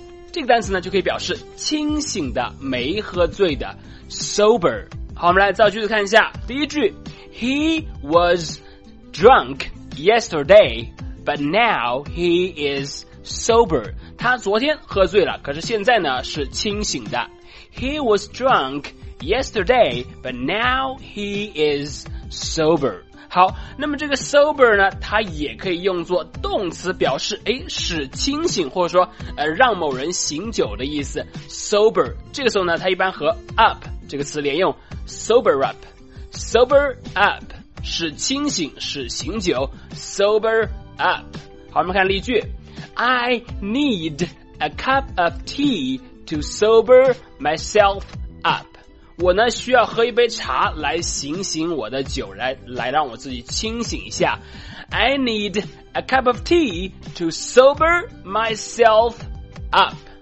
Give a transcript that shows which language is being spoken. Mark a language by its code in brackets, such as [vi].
[zh] 这个单词呢就可以表示清醒的，没喝醉的 sober。好，我们来造句子看一下。第一句， [en] He was drunk yesterday but now he is sober。 [zh] 他昨天喝醉了，可是现在呢是清醒的。 [en] He was drunk yesterday but now he is sober。 [zh] 好，那么这个 sober 呢，它也可以用作动词，表示使清醒，或者说让某人醒酒的意思。 sober 这个时候呢，它一般和 up 这个词连用， sober up， sober up， 使清醒，使醒酒， sober up。好，我们看例句， [en] I need a cup of tea to sober myself up。 [zh] 我呢需要喝一杯茶来醒醒我的酒，来让我自己清醒一下。 [en] I need a cup of tea to sober myself up。